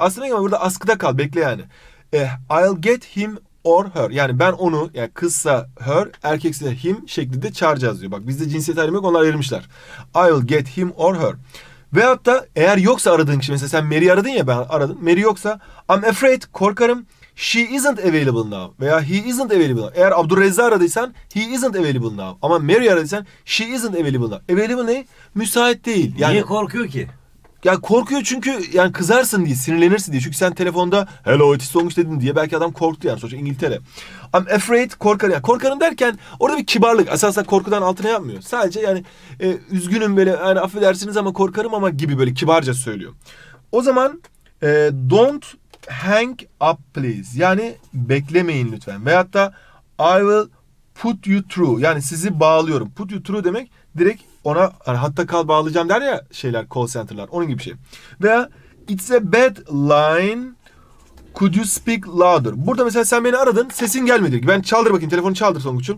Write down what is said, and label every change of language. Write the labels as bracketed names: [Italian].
[Turkish] Aslında ama burada askıda kal. Bekle yani. [English] I'll get him or her. [Turkish] Yani ben onu yani kızsa her, erkekse him şeklinde çağıracağız diyor. Bak bizde cinsiyet ayrımı yok. Onlar ayırmışlar. [English] I'll get him or her. [Turkish] Veyahut da eğer yoksa aradığın kişi. Mesela sen Mary aradın ya ben aradım. Mary yoksa [English] I'm afraid [Turkish] korkarım. [English] She isn't available now. Veya he isn't available now. [Turkish] Eğer Abdurrezza aradıysan [English] he isn't available now. [Turkish] Ama Mary aradıysan [English] she isn't available now. [Turkish] Available ne? Müsait değil. Yani, niye korkuyor ki? Ya korkuyor çünkü yani kızarsın diye, sinirlenirsin diye. Çünkü sen telefonda [English] hello it is Tonguç [Turkish] dedin diye belki adam korktu yani. Sonuçta İngiltere. I'm afraid korkarım. Yani korkarım derken orada bir kibarlık. Aslında korkudan altına yapmıyor. Sadece yani üzgünüm böyle yani affedersiniz ama korkarım ama gibi böyle kibarca söylüyor. [English] O zaman don't hang up please. [Turkish] Yani beklemeyin lütfen. Veyahut da [English] I will put you through. [Turkish] Yani sizi bağlıyorum. Put you through demek direkt ona hani hatta kal bağlayacağım der ya şeyler call center'lar. Onun gibi bir şey. [English] Veya it's a bad line. Could you speak louder? [Turkish] Burada mesela sen beni aradın. Sesin gelmedi. Ben çaldır bakayım. Telefonu çaldır Songuç'um.